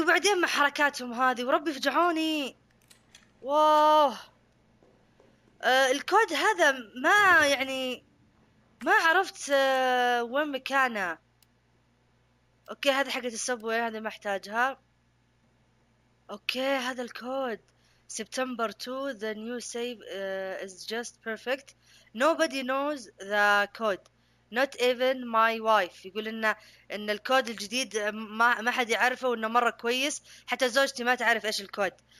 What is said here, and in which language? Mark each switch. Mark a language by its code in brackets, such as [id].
[ar] وبعدين مع حركاتهم هذه وربي فجعوني. واه الكود هذا ما يعني ما عرفت وين مكانها. اوكي هذا حقة السبوي، هذا ما احتاجها. اوكي هذا الكود [en] September 2 the new save is just perfect. Nobody knows the code, not even my wife. [ar] يقول ان الكود الجديد ما حد يعرفه وانه مره كويس، حتى زوجتي ما تعرف ايش الكود.